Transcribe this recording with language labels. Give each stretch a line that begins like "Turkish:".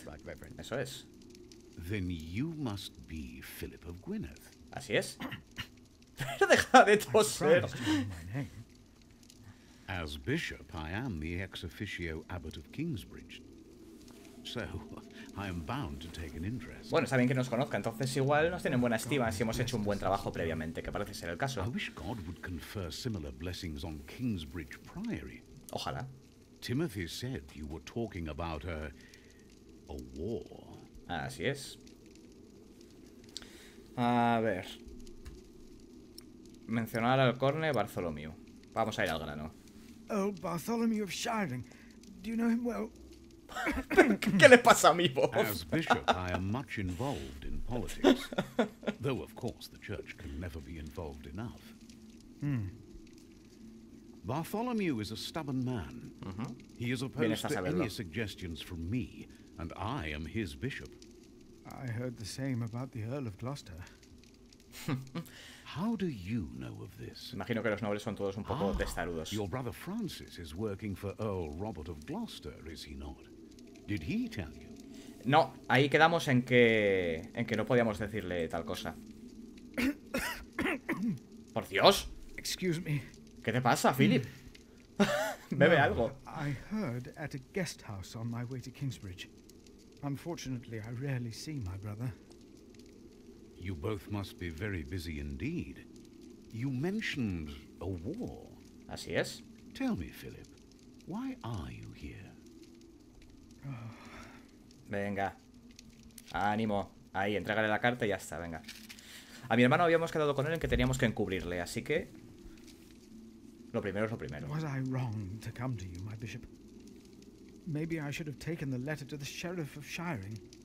English: Forest, right, Reverend.
Spanish: Eso es.
English: Then you must be Philip of Gwynedd.
Spanish: Así es. Pero deja de
English: I promise
Spanish: toser.
English: to know my name. As bishop, I am the ex officio abbot of Kingsbridge. So, I am bound to take an interest.
Spanish: Bueno, está bien que nos conozca, entonces igual nos tienen buena estima si hemos hecho un buen trabajo previamente, que parece ser el
English: I wish God would confer similar blessings on Kingsbridge Priory.
Spanish: Ojalá.
English: Timothy said you were talking about a war.
Spanish: Así es. A ver. Mencionar al Corne Bartholomew. Vamos a ir al grano.
English: Old Bartholomew of Sheridan. Do you know him well?
Spanish: ¿Qué le pasa a mi voz?
English: As bishop, I am much involved in politics. Though, of course, the church can never be involved enough. Bartholomew is a stubborn man. He is opposed to any suggestions from me, and I am his bishop. I heard the same about the Earl of Gloucester. How do you know of this?
Spanish: Imagino que los nobles son todos un poco testarudos.
English: Your brother Francis is working for Earl Robert of Gloucester, is he not? Did he tell you?
Spanish: No, ahí quedamos en que no podíamos decirle tal cosa. ¡Por Dios!
English: Excuse me.
Spanish: ¿Qué te pasa, Philip? Bebe No, algo.
English: I heard at a guest house on my way to Kingsbridge. Unfortunately, I rarely see my brother. You both must be very busy indeed. You mentioned a war.
Spanish: Así es.
English: Tell me, Philip, why are you here?
Spanish: Venga, ánimo. Ahí, entrégale la carta y ya está, venga. A mi hermano habíamos quedado con él en que teníamos que encubrirle, así que lo primero es lo primero.
English: Was I wrong to come to you, my bishop? Maybe I should have taken the letter to the sheriff of Shiring.